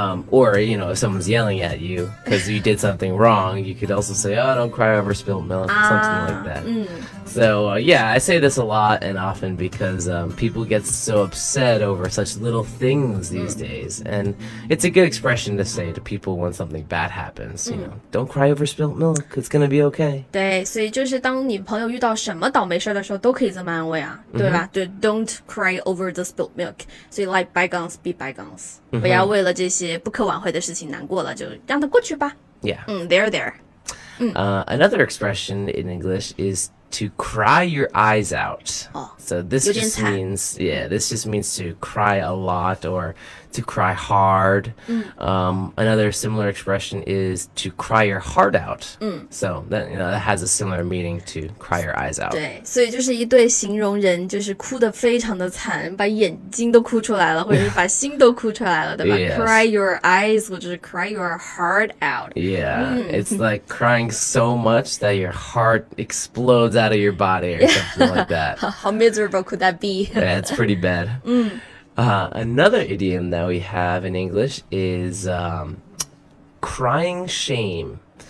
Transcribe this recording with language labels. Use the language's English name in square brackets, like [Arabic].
[English] Or, you know, if someone's yelling at you because you did something wrong, you could also say, oh, don't cry over spilt milk, something like that. So, I say this a lot and often because people get so upset over such little things these days. And it's a good expression to say to people when something bad happens, you know, don't cry over spilt milk, it's going to be okay. [Chinese] 对，所以就是当你朋友遇到什么倒霉事的时候都可以这么安慰啊，对吧？ [English] 对， don't cry over the spilt milk. So, like, bygones be bygones. [Chinese] 不要为了这些不可挽回的事情难过了，就让它过去吧。 [English] They're there. Another expression in English is to cry your eyes out. So this just means to cry a lot or to cry hard. Another similar expression is to cry your heart out. So that, you know, that has a similar meaning to cry your eyes out. [Chinese] 对，所以就是一对形容人就是哭得非常的惨，把眼睛都哭出来了，或者是把心都哭出来了，对吧？ [English] Yes. Cry your eyes, [Chinese] 或者是 [English] cry your heart out. Yeah, it's like crying so much that your heart explodes out of your body or something like that. How miserable could that be? Yeah, it's pretty bad. Another idiom that we have in English is crying shame.